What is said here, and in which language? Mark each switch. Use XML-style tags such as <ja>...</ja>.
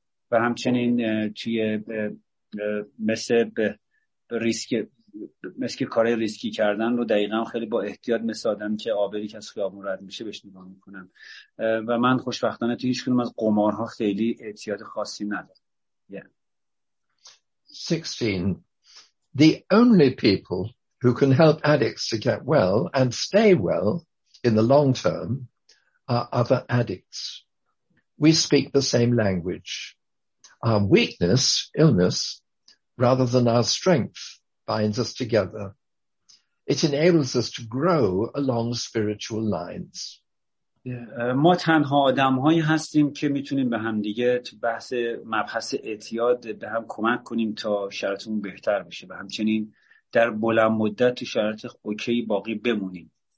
<fa>و همچنین توی مثل کارهای ریسکی کردن رو دقیقا خیلی با احتیاط، مثل آدم که آبری که از خیابون رد میشه بهش نگاه میکنم. و من خوشبختانه توی هیچ کنم از قمارها خیلی احتیاط خاصی ندارم.</fa> <en>Yeah. 16. The only people who can help addicts to get well and stay well in the long term are other addicts. We speak the same language. Our weakness, illness, rather than our strength, binds us together. It enables us to grow along spiritual lines.</en> <fa>ما تنها آدم‌هایی هستیم که میتونیم به هم دیگه تو بحث مبحث اعتیاد به هم کمک کنیم تا شرایطمون بهتر بشه و همچنین در بلند مدت تو شرایط اوکی باقی بمونیم.</fa>